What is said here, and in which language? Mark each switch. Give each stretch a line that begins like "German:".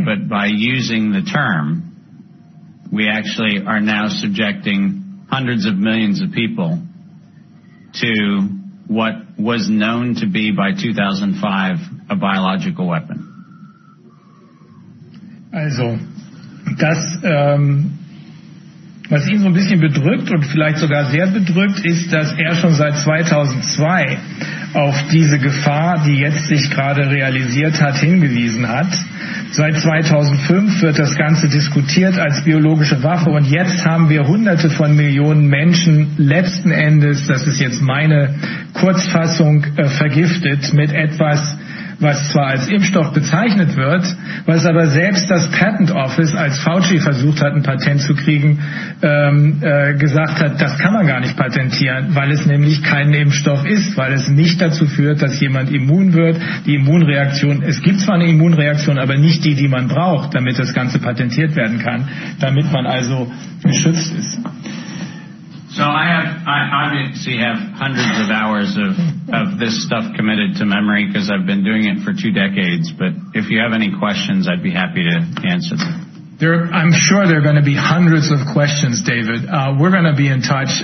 English: But by using the term, we actually are now subjecting hundreds of millions of people to what was known to be by 2005 a biological weapon.
German: Also, das, was ihn so ein bisschen bedrückt und vielleicht sogar sehr bedrückt, ist, dass er schon seit 2002 auf diese Gefahr, die jetzt sich gerade realisiert hat, hingewiesen hat. Seit 2005 wird das Ganze diskutiert als biologische Waffe und jetzt haben wir hunderte von Millionen Menschen letzten Endes, das ist jetzt meine Kurzfassung, vergiftet mit etwas, was zwar als Impfstoff bezeichnet wird, was aber selbst das Patent Office, als Fauci versucht hat, ein Patent zu kriegen, gesagt hat, das kann man gar nicht patentieren, weil es nämlich kein Impfstoff ist, weil es nicht dazu führt, dass jemand immun wird. Die Immunreaktion, es gibt zwar eine Immunreaktion, aber nicht die, die man braucht, damit das Ganze patentiert werden kann, damit man also geschützt ist.
English: So I obviously have hundreds of hours of this stuff committed to memory because I've been doing it for two decades. But if you have any questions, I'd be happy to answer them. I'm sure there are going to be hundreds of questions, David. We're going to be in touch.